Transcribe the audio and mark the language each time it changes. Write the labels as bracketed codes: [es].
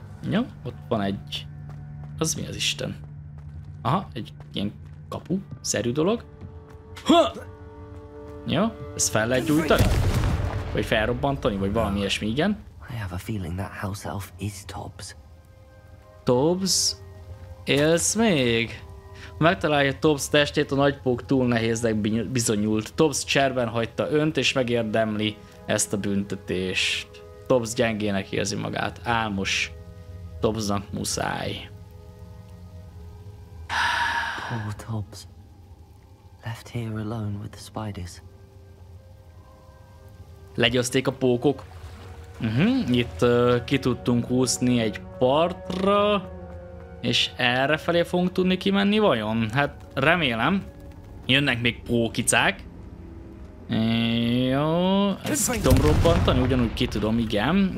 [hu] Jó, ott van egy... az mi az Isten? Aha, egy ilyen kapu-szerű dolog. Ha! Jó, ezt fel lehet gyújtani? Vagy felrobbantani, vagy valami ilyesmi, igen. [en] I have a feeling that house elf is Tobbs. [hu] Tobbs? Élsz még? Ha megtalálja Tobbs testét, a nagypók túl nehéznek bizonyult. Tobbs cserben hagyta önt, és megérdemli ezt a büntetést. Tobbs gyengének érzi magát. Álmos. Tobbsnak muszáj. [en] Poor Tobbs. Left here alone with the spiders. [hu] Legyőzték a pókok. Uh-huh. Itt ki tudtunk úszni egy partra. És erre felé fogunk tudni kimenni vajon? Hát remélem. Jönnek még pókicák. Jó, ezt ki tudom robbantani, ugyanúgy ki tudom, igen.